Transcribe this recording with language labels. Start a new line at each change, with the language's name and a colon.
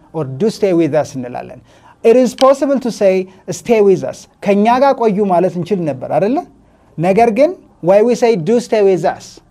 English: Or do stay with us እንላለን. It is possible to say stay with us.
Amharic: ከኛ ጋር ቆዩ ማለት እንችል ነበር አይደለ? ነገር ግን
English: why we say do stay with us?